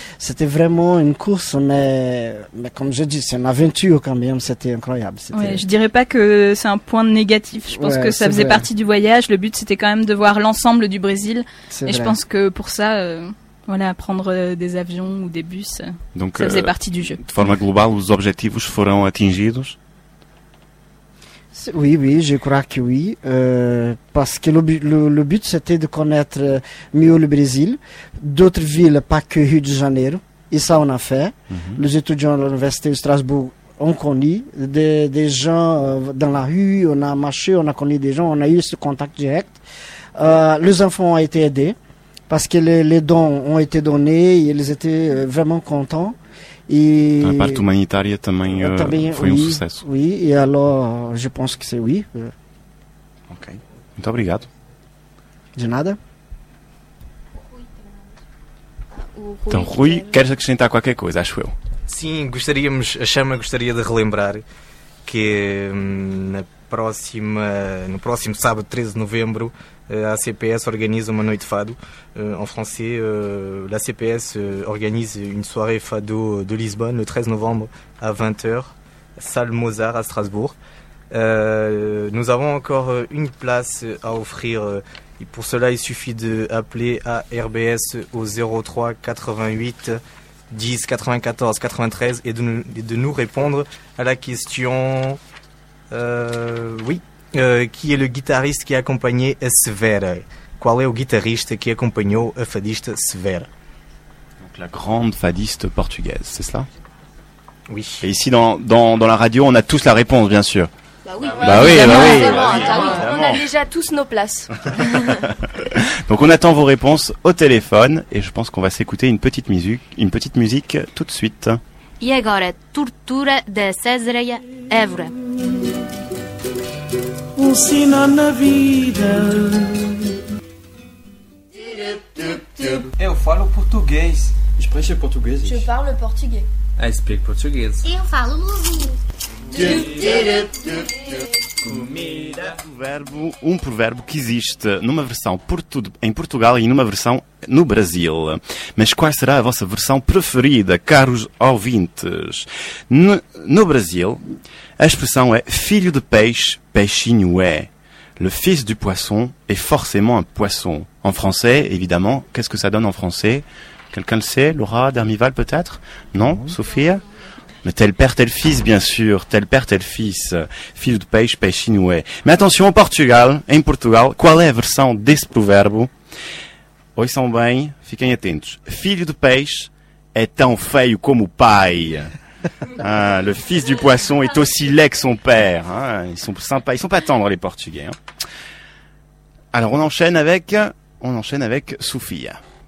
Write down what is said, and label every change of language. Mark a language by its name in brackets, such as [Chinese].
[French] C'était vraiment une course, mais comme j'ai dit, c'est une aventure quand même. C'était incroyable. C'était... Ouais, je ne dirais pas que c'est un point négatif. Je pense que ça faisait partie du voyage. Le but, c'était quand même de voir l'ensemble du Brésil. Je pense que pour ça... Prendre des avions ou des bus, donc, ça faisait partie du jeu. [Portuguese] De forma global, os objetivos foram atingidos? [French] Oui, je crois que oui. Parce que le but, c'était de connaître mieux le Brésil, d'autres villes, pas que Rio de Janeiro, et ça, on a fait. Mm-hmm. Les étudiants de l'Université de Strasbourg ont connu des gens dans la rue, on a marché, on a connu des gens, on a eu ce contact direct. Les enfants ont été aidés. Parce que les dons ont été donnés et ils étaient vraiment contents. Et la partie humanitaire [Portuguese] também foi [French] un succès. Oui, et alors je pense que c'est oui. [Portuguese] Ok. Muito obrigado. De nada. Então, Rui, queres acrescentar qualquer coisa, acho eu. Sim, gostaria de relembrar que no próximo sábado, 13 de novembro, a CPS [French] organise une nuit de [Portuguese] fado. [French] En français, la CPS organise une soirée fado de Lisbonne le 13 novembre à 20h, salle Mozart à Strasbourg. Nous avons encore une place à offrir. Et pour cela, il suffit d'appeler à RBS au 03 88 10 94 93 et de nous répondre à la question... Qui est le guitariste qui a accompagné Severa? [Portuguese] Qual é o guitarrista que acompanhou a fadista Severa? [French] Donc la grande fadiste portugaise, c'est cela? Oui. Et ici, dans la radio, on a tous la réponse, bien sûr. Bah oui. On a déjà tous nos places. Donc on attend vos réponses au téléphone et je pense qu'on va s'écouter une petite musique tout de suite. [Portuguese] E agora, Tortura de Cesareia Évora. Um sinal na vida. Eu falo português. [German] Spreche português. [French] Je parle português. [English] I speak português. [Portuguese] Eu falo luso. Comida. Um provérbio que existe numa versão em Portugal e numa versão no Brasil. Mas qual será a vossa versão preferida, caros ouvintes? No Brasil, a expressão é filho de peixe, peixinho é. [French] Le fils du poisson est forcément un poisson. En français, évidemment, qu'est-ce que ça donne en français? Quelqu'un le sait? Laura Dermival peut-être? Non? Sophia? Mais tel père, tel fils, bien sûr. Tel père, tel fils. [Portuguese] Filho de peixe, peixinho é. [French] Mais attention, [Portuguese] em Portugal, qual é a versão desse provérbio? Ouçam bem, fiquem atentos. Filho de peixe é tão feio como o pai. [French] Ah, le fils du poisson est aussi laid que son père. Ah, ils sont sympas, ils sont pas tendres, les Portugais. Hein. Alors, on enchaîne avec Sofia.